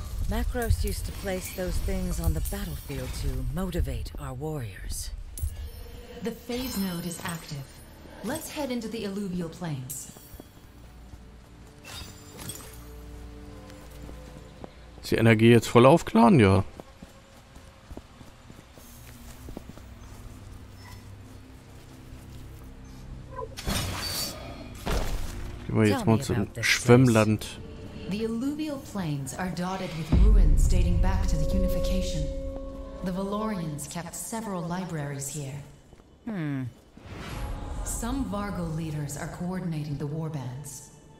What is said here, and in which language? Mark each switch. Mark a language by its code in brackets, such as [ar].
[en] Makros used to place those things on the battlefield to motivate our warriors. The phase node is active. Let's head into the alluvial plains. [de] Ist die Energie jetzt voll aufgeladen, ja? Jetzt mal zum Schwimmland. [en] The alluvial plains are dotted with ruins dating back to the unification. The Valorians kept several libraries here. Some Vargo leaders are coordinating the warbands.